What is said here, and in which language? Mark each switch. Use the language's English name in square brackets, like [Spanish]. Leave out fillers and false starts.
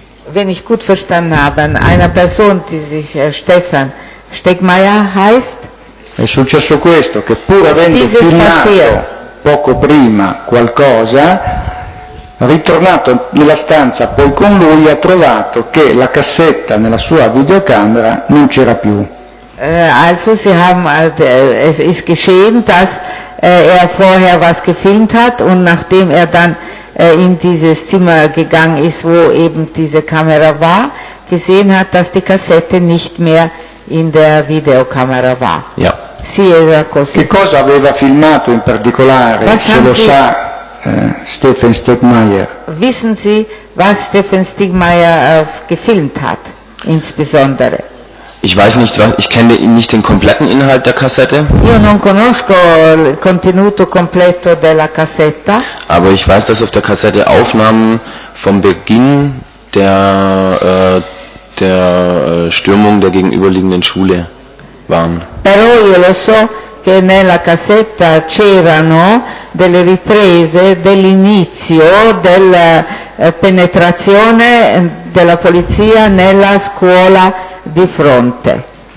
[German] Wenn ich gut verstanden habe, eine Person, die sich Stefan Stegmaier heißt. [Italian] È successo questo, che pur avendo filmato poco prima qualcosa, ritornato nella stanza poi con lui, ha trovato che la cassetta nella sua videocamera non c'era più. Also sie haben, es ist geschehen, dass er vorher was gefilmt hat und nachdem er dann in dieses Zimmer gegangen ist, wo eben diese Kamera war, gesehen hat, dass die Kassette nicht mehr in der Videokamera war. [German] Ja. [Italian] Sì, era così. Che cosa aveva filmato in particolare, [German] was [Italian] se lo [German] Sie, [Italian] sa Steffen Stegmaier? [German] Wissen Sie, was Steffen Stegmaier gefilmt hat, insbesondere? Ich weiß nicht, ich kenne nicht den kompletten Inhalt der Kassette. [Italian] Io non conosco il contenuto completo della cassetta. [German] Aber ich weiß, dass auf der Kassette Aufnahmen vom Beginn der Stürmung der gegenüberliegenden Schule waren. [Italian] Però io lo so che nella cassetta c'erano delle riprese dell'inizio della penetrazione della polizia nella scuola di fronte.